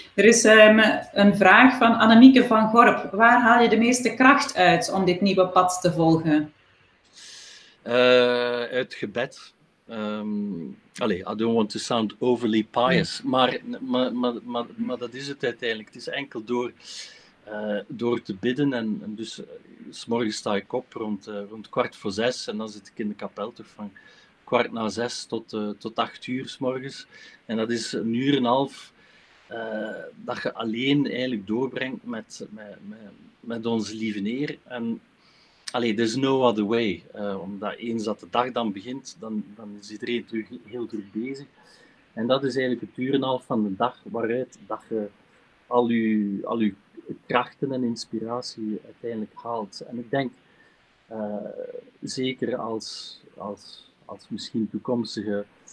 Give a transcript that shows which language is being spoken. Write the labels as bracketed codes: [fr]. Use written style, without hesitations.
[nl] Er is een vraag van Annemieke van Gorp. Waar haal je de meeste kracht uit om dit nieuwe pad te volgen? Uit gebed. [en] I don't want to sound overly pious. [nl] Nee. Maar dat is het uiteindelijk. Het is enkel door te bidden. En dus, 's morgens sta ik op rond 5:15. En dan zit ik in de kapel toch van 5:45 tot 8:00 's morgens. En dat is een uur en een half... dat je alleen eigenlijk doorbrengt met onze lieve Heer. En allee, [en] there's no other way. [nl] Omdat eens dat de dag dan begint, dan is iedereen terug heel druk bezig. En dat is eigenlijk het uur en half van de dag waaruit dat je al uw krachten en inspiratie uiteindelijk haalt. En ik denk, zeker als misschien toekomstige...